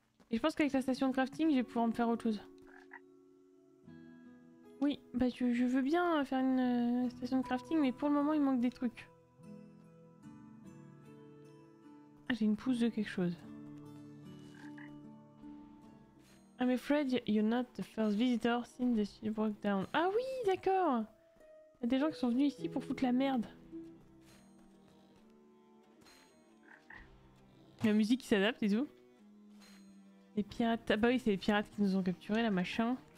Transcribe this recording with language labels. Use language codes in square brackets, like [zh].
[fr] Et je pense qu'avec la station de crafting, je vais pouvoir me faire autre chose. Oui, bah je veux bien faire une station de crafting, mais pour le moment, il manque des trucs. J'ai une pousse de quelque chose. [en] I'm afraid you're not the first visitor since the city broke down. [fr] Ah oui, d'accord. Il y a des gens qui sont venus ici pour foutre la merde. La musique qui s'adapte et tout. Les pirates. Ah bah oui, c'est les pirates qui nous ont capturés là, machin.